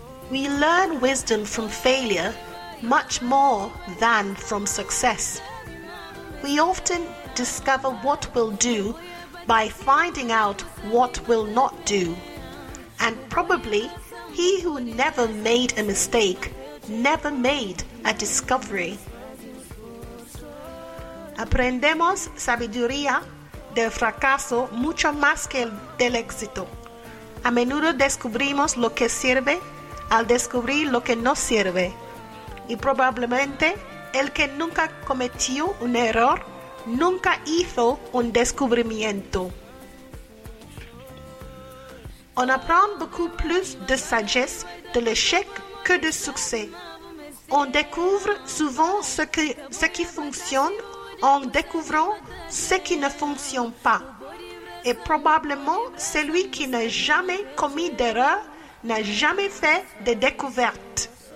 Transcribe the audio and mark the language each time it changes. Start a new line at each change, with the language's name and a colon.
English: We learn wisdom from failure much more than from success. We often discover what will do by finding out what will not do. And probably he who never made a mistake never made a discovery.
Spanish: Aprendemos sabiduría del fracaso mucho más que del éxito. A menudo descubrimos lo que sirve al descubrir lo que no sirve. Y probablemente el que nunca cometió un error nunca hizo un descubrimiento.
French: On apprend beaucoup plus de sagesse de l'échec que de succès. On découvre souvent ce qui fonctionne en découvrant ce qui ne fonctionne pas. Et probablement celui qui n'a jamais commis d'erreur n'a jamais fait de découverte.